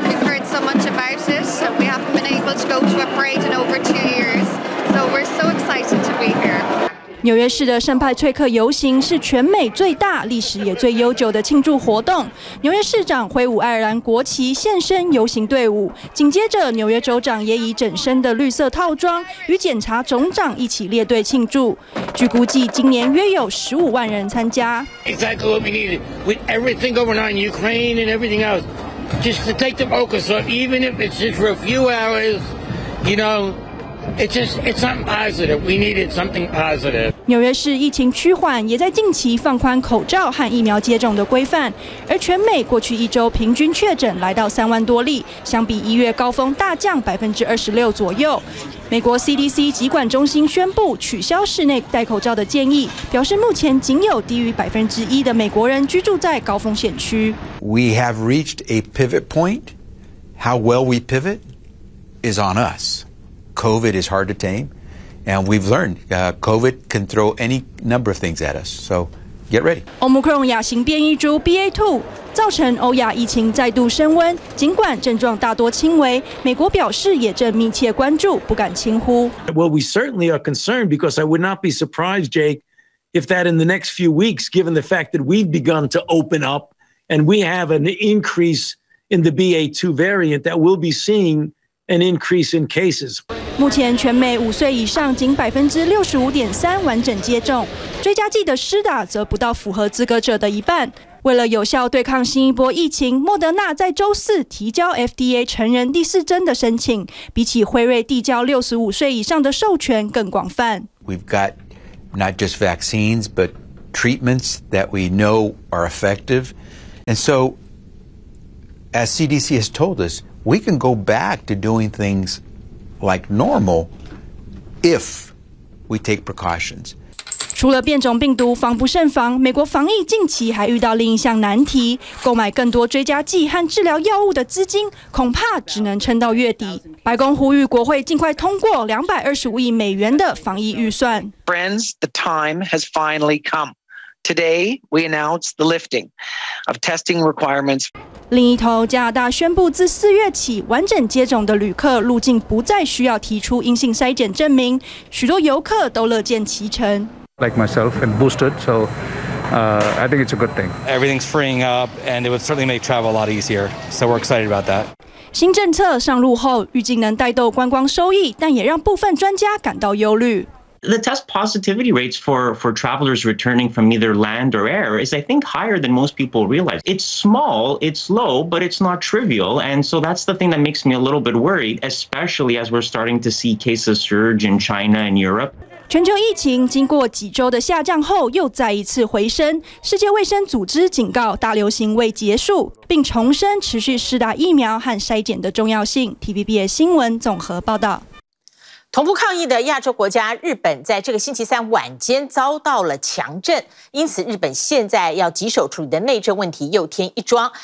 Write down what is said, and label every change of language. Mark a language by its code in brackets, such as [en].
[en] We've heard so much about it, and we haven't been able to go to a parade in over 2 years. So we're so excited to be here. [zh] 纽约市的圣派翠克游行是全美最大、历史也最悠久的庆祝活动。纽约市长挥舞爱尔兰国旗现身游行队伍，紧接着纽约州长也以整身的绿色套装与检察总长一起列队庆祝。据估计，今年约有150,000人参加。 [en] Exactly what we need with everything going on in Ukraine and everything else, just to take the focus off, even if it's just for a few hours, you know. It's something positive. We needed something positive. [zh] 纽约市疫情趋缓，也在近期放宽口罩和疫苗接种的规范。而全美过去一周平均确诊来到3万多例，相比一月高峰大降26%左右。美国 CDC 疾管中心宣布取消室内戴口罩的建议，表示目前仅有低于1%的美国人居住在高风险区。 [en] We have reached a pivot point. How well we pivot is on us. COVID is hard to tame, and we've learned, COVID can throw any number of things at us, so get ready. [zh] Omicron 亚型变异株 BA.2 造成欧亚疫情再度升温，尽管症状大多轻微，美国表示也正密切关注，不敢轻忽。 [en] Well, we certainly are concerned because I would not be surprised, Jake, if that in the next few weeks, given the fact that we've begun to open up and we have an increase in the BA.2 variant that we'll be seeing. An increase in cases. [zh] 目前全美5岁以上仅65.3%完整接种，追加剂的施打则不到符合资格者的一半。为了有效对抗新一波疫情，莫德纳在周四提交 FDA 成人第四针的申请，比起辉瑞递交65岁以上的授权更广泛。 [en] We've got not just vaccines, but treatments that we know are effective, and so as CDC has told us. We can go back to doing things like normal if we take precautions. [zh] 除了变种病毒防不胜防，美国防疫近期还遇到另一项难题，购买更多追加剂和治疗药物的资金恐怕只能撑到月底。白宫呼吁国会尽快通过$225亿的防疫预算。 [en] Friends, the time has finally come. Today, we announce the lifting of testing requirements. [zh] 另一头，加拿大宣布自四月起，完整接种的旅客入境不再需要提出阴性筛检证明，许多游客都乐见其成。 [en] Like myself and boosted, so I think it's a good thing. Everything's freeing up, and it would certainly make travel a lot easier. So we're excited about that. [zh] 新政策上路后，预计能带动观光收益，但也让部分专家感到忧虑。 [en] The test positivity rates for travelers returning from either land or air is, I think, higher than most people realize. It's small, it's low, but it's not trivial. And so that's the thing that makes me a little bit worried, especially as we're starting to see cases surge in China and Europe. [zh] 全球疫情经过几周的下降后又再一次回升，世界卫生组织警告大流行未结束，并重申持续施打疫苗和筛检的重要性。 TVBS 新闻综合报道。同步抗疫的亚洲国家日本在这个星期三晚间遭到了强震，因此日本现在要棘手处理的内政问题又添一桩。